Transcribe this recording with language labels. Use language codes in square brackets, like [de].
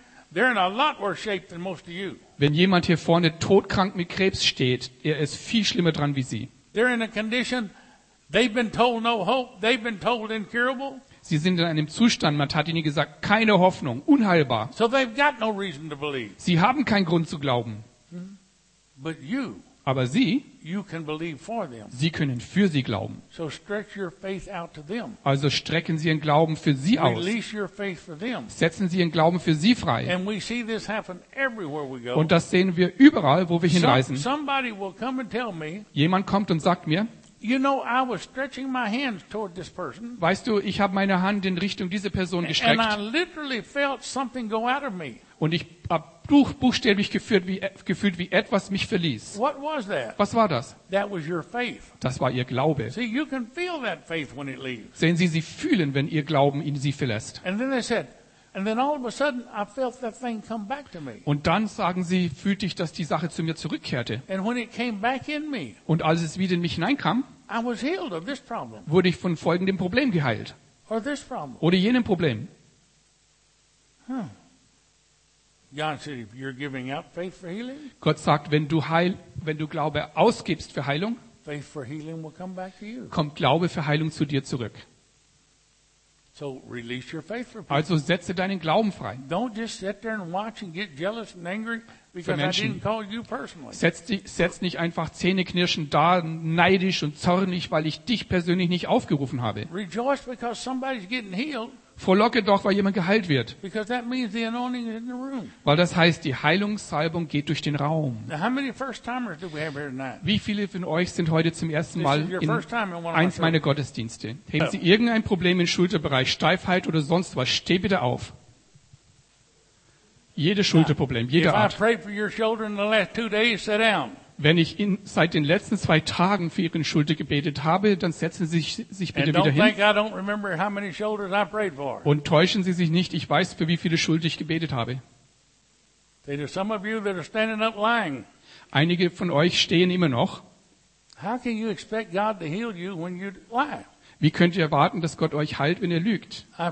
[de] wenn jemand hier vorne todkrank mit Krebs steht, er ist viel schlimmer dran wie Sie. [en] They're in a condition, they've been told no hope, they've been told incurable. [de] Sie sind in einem Zustand, man hat ihnen gesagt, keine Hoffnung, unheilbar. [en] So they've got no reason to believe. [de] Sie haben keinen Grund zu glauben. [en] But you, [de] aber Sie, [en] you can believe for them. [de] Sie können für sie glauben. [en] So stretch your faith out to them. [de] Also strecken Sie Ihren Glauben für sie aus. [en] Release your faith for them. [de] Setzen Sie Ihren Glauben für sie frei. [en] And we see this happen everywhere we go. [de] Und das sehen wir überall, wo wir hinreisen. [en] Somebody will come and tell me, [de] jemand kommt und sagt mir, [en] you know, I was stretching my hands toward this person. [de] Weißt du, ich habe meine Hand in Richtung dieser Person gestreckt. [en] And I literally felt something go out of me. [de] Und ich habe buchstäblich gefühlt, wie etwas mich verließ. [en] What was that? [de] Was war das? [en] That was your faith. [de] Das war Ihr Glaube. [en] See, you can feel that faith when it leaves. [de] Sehen Sie, Sie fühlen, wenn Ihr Glauben ihn Sie verlässt. [en] And then they said, and then all of a sudden I felt that thing come back to me. [de] Und dann sagen sie, fühlte ich, dass die Sache zu mir zurückkehrte. [en] And when it came back in me. [de] Und als es wieder in mich hineinkam, [en] I was healed of this problem. [de] Wurde ich von folgendem Problem geheilt. [en] Or this problem. [de] Oder jenem Problem. [en] God said, if you're giving out faith for healing, [de] Gott sagt, wenn du Glaube ausgibst für Heilung, [en] faith for healing will come back to you. [de] Kommt Glaube für Heilung zu dir zurück. [en] So release your faith for people. [de] Also setze deinen Glauben frei. [en] Don't just sit there and watch and get jealous and angry because I didn't call you personally. [de] Setz nicht einfach zähneknirschend da, neidisch und zornig, weil ich dich persönlich nicht aufgerufen habe. [en] Rejoice because somebody's getting healed. [de] Frohlocke doch, weil jemand geheilt wird. [en] Because that means the anointing is in the room. [de] Weil das heißt, die Heilungssalbung geht durch den Raum. [en] Now, how many first-timers do we have here tonight? [de] Wie viele von euch sind heute zum ersten Mal in eins meiner Gottesdienste? Haben Sie irgendein Problem im Schulterbereich, Steifheit oder sonst was? Steh bitte auf. Jedes Schulterproblem, jede Art. [en] If I prayed for your shoulder in the last 2 days, sit down. [de] Wenn ich ihn seit den letzten 2 Tagen für Ihre Schulter gebetet habe, dann setzen Sie sich bitte wieder hin. [en] I don't remember how many shoulders I prayed for. [de] Und täuschen Sie sich nicht, ich weiß, für wie viele Schulter ich gebetet habe. [en] There are some of you that are standing up lying. [de] Einige von euch stehen immer noch. [en] How can you expect God to heal you when you lie? [de] Wie könnt ihr erwarten, dass Gott euch heilt, wenn ihr lügt?